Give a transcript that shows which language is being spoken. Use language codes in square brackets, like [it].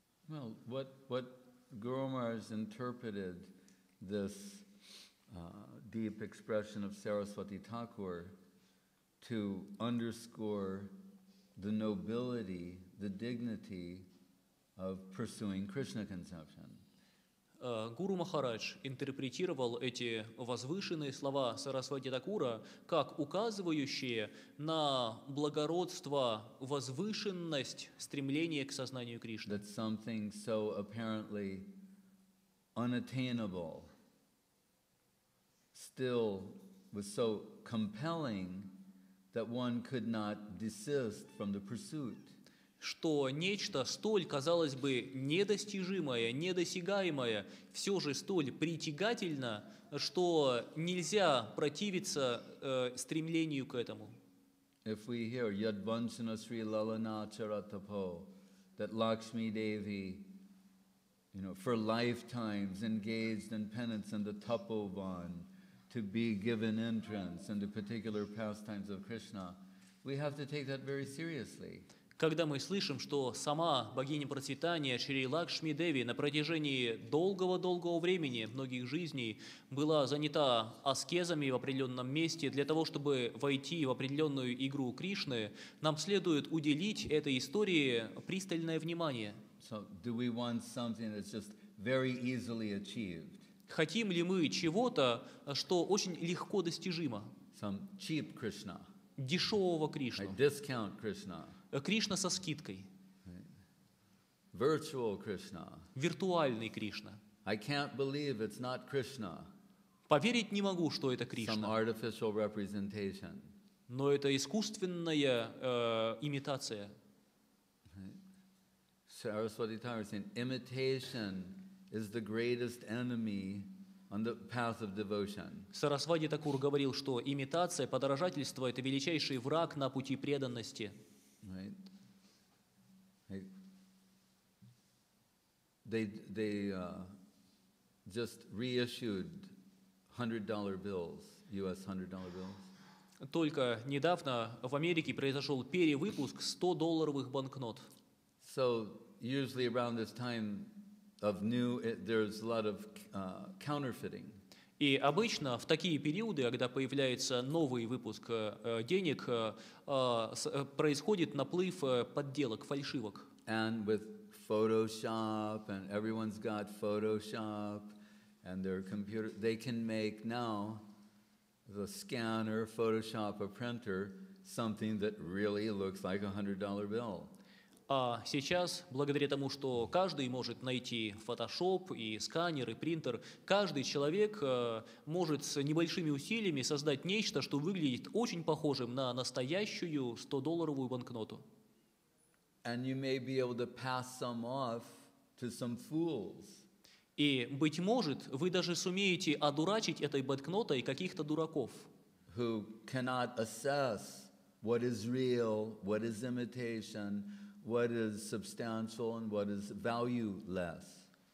[en] Well, what Guru Maharaj interpreted this deep expression of Saraswati Thakur to underscore the nobility, the dignity of pursuing Krishna conception. [ru] Гуру Махарадж интерпретировал эти возвышенные слова Сарасвати Такура как указывающие на благородство, возвышенность стремления к сознанию Кришны. [en] That something so apparently unattainable still was so compelling that one could not desist from the pursuit. [ru] Что нечто столь, казалось бы, недостижимое, недосягаемое, все же столь притягательно, что нельзя противиться стремлению к этому. [en] If we hear [sa] Yadvanchana Sri Lalana Charatapo, [en] that Lakshmi Devi you know, for lifetimes engaged in penance and the tapovan, to be given entrance into particular pastimes of Krishna, we have to take that very seriously. [ru] Когда мы слышим, что сама богиня процветания Шри Лакшми Деви на протяжении долгого-долгого времени, многих жизней, была занята аскезами в определенном месте для того, чтобы войти в определенную игру Кришны, нам следует уделить этой истории пристальное внимание. [en] So, do we want something that's just very easily achieved? [ru] Хотим ли мы чего-то, что очень легко достижимо? [en] Some cheap Krishna. [ru] Дешевого Кришну. [en] A discount Krishna. [ru] Кришна со скидкой. [en] Virtual Krishna. [ru] Виртуальный Кришна. [en] I can't believe it's not Krishna. [ru] Поверить не могу, что это Кришна. [en] Some artificial representation. [ru] Но это искусственная имитация. [en] Saraswati Thakur saying, imitation is the greatest enemy on the path of devotion. [ru] Сарасвати Такур говорил, что имитация, подражательство – это величайший враг на пути преданности. [en] They just reissued $100 bills, US $100 bills. [ru] Только недавно в Америке произошел перевыпуск $100 банкнот. [en] So usually around this time of new, there's a lot of counterfeiting. [ru] И обычно в такие периоды, когда появляется новый выпуск денег, происходит наплыв подделок, фальшивок. [en] And with Photoshop, and everyone's got Photoshop, and their computer, they can make now the scanner, Photoshop, a printer, something that really looks like a $100 bill. [ru] А сейчас, благодаря тому, что каждый может найти Photoshop и сканер, и принтер, каждый человек может с небольшими усилиями создать нечто, что выглядит очень похожим на настоящую $100 банкноту. [en] And you may be able to pass some off to some fools. [ru] И, быть может, вы даже сумеете одурачить этой банкнотой каких-то дураков. [en] Who cannot assess what is real, what is imitation, what is substantial and what is valueless.